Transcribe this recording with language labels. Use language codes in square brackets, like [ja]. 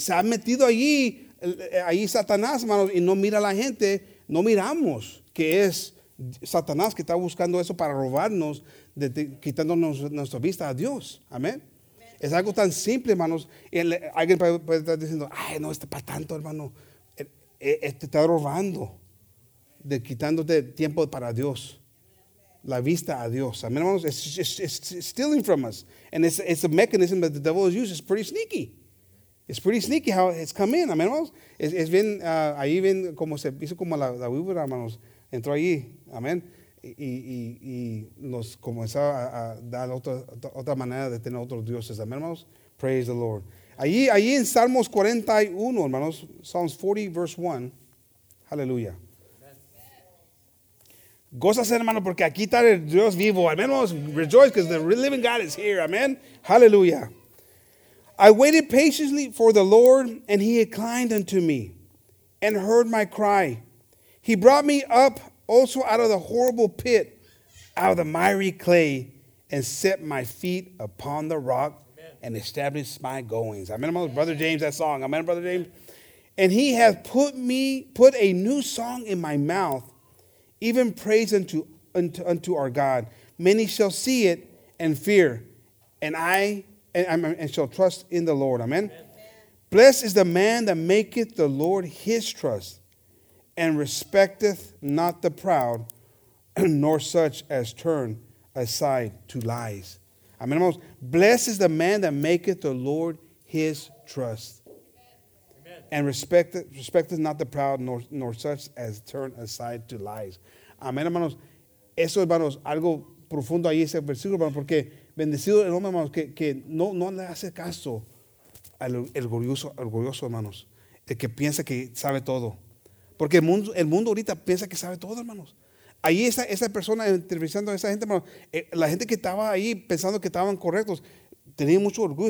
[es] Se ha metido ahí Satanás, hermanos, y no mira a la gente, no miramos que es Satanás que está buscando eso para robarnos, quitándonos nuestra vista a Dios. Amén. Es algo tan simple, hermanos. Alguien puede estar diciendo, ay, no, está para tanto, hermano. Te está robando, de quitándote tiempo para Dios. La vista a Dios. Amén, hermanos. [en] It's stealing from us. And it's a mechanism that the devil has used. It's pretty sneaky. It's pretty sneaky how it's come in. [es] Amén, hermanos. Es bien, ahí ven como se hizo como la víbora, hermanos. Entró ahí. Amén. y nos comenzaba a dar otra manera de tener otros dioses. Amén, hermanos. [en] Praise the Lord. [es] Allí en Salmos 41, hermanos, [en] Psalms 40, verse 1, [es] aleluya. Gózase, hermano, porque aquí está el Dios vivo. Amén, hermanos. [en] Rejoice, because the living God is here. Amén. Aleluya. I waited patiently for the Lord, and he inclined unto me, and heard my cry. He brought me up also out of the horrible pit, out of the miry clay, and set my feet upon the rock, and established my goings. Amen, Brother James, that song. Amen, Brother James. And he hath put a new song in my mouth, even praise unto our God. Many shall see it and fear, and shall trust in the Lord. Amen. Blessed is the man that maketh the Lord his trust, and respecteth not the proud, nor such as turn aside to lies. Amen. Blessed is the man that maketh the Lord his trust. Amen. And respecteth not the proud, nor such as turn aside to lies. [es] Amen, hermanos. Eso, hermanos, algo profundo ahí ese versículo, hermanos, porque bendecido el hombre, hermanos, que no le hace caso al orgulloso, hermanos, el que piensa que sabe todo. Porque el mundo ahorita piensa que sabe todo, hermanos. Ahí esa persona entrevistando a esa gente, hermano, la gente que estaba ahí pensando que estaban correctos, tenía mucho orgullo.